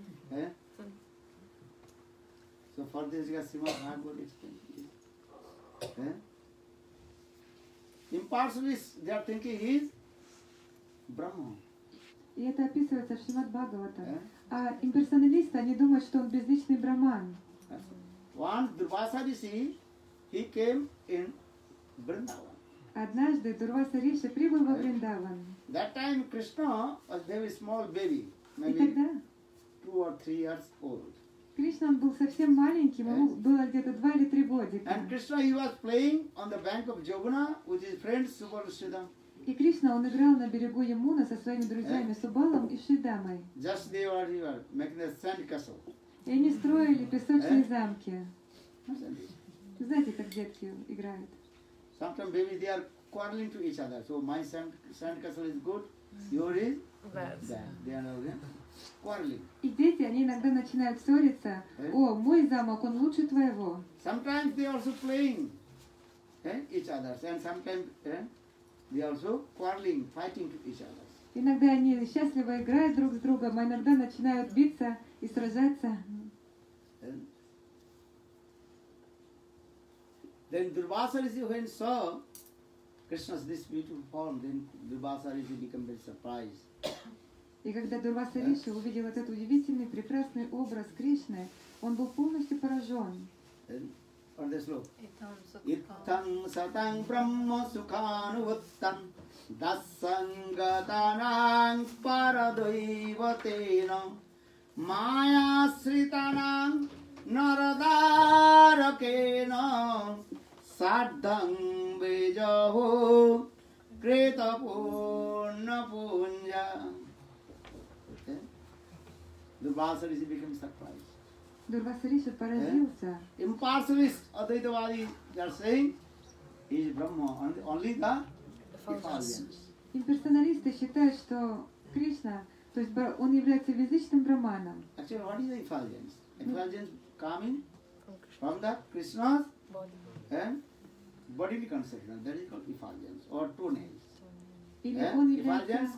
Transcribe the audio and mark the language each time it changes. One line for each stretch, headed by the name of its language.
English: So for this, Srimad Bhagavatam is impartially they are thinking he is Brahma.
Russian: И это описывается в Шримад Бхагаватам. А имперсоналисты, они думают, что он безличный брахман.
English: Once Durvasa Rishi, he came in Vrindavan.
Russian: Однажды Дурваса Риши прибыл во Вриндаван.
English: That time Krishna was very small baby, maybe 2 or 3 years old.
Russian: Кришна был совсем маленьким, ему было где-то 2 или 3 годика.
English: And Krishna he was playing on the bank of Jamuna with his friend Subalakshmi.
Russian: И Кришна он играл на берегу Ямуны со своими друзьями Субалом и Шридамой.
English: Just they were making a sand castle.
Russian: И они строили песочные замки. Знаете, как детки играют?
English: Sometimes maybe they are quarreling to each other. So my sand castle is good, your is bad. They are not good.
Russian: И дети, они иногда начинают ссориться. О, мой замок, он лучше твоего.
English: Sometimes they also playing each other, and sometimes they also quarreling, fighting each other.
Russian: Иногда они счастливо играют друг с другом, а иногда начинают биться и сражаться.
English: Then Durvasa when saw Krishna's this beautiful form, then Durvasa became very surprised.
Russian: И когда Дурваса Риши увидел этот удивительный, прекрасный образ Кришны, он был полностью поражен.
Sanskrit: Иттам сатам брахма сукануваттам дассангатанам парадойватенам маясританам нарадаракенам саддам бежаху кретапунна пунья.
English: Durvasa Rishi became surprised.
Russian: Durvasa Rishi поразился.
English: Impersonalist Advaitavadi, they are saying, is Brahma only the effulgence.
Russian: Имперсоналисты считают, что Кришна, то есть он является физическим Брахманом.
English: Actually, what is the effulgence? Effulgence coming from the Krishna's body. Bodily conception. That is called effulgence or two nails. Effulgence,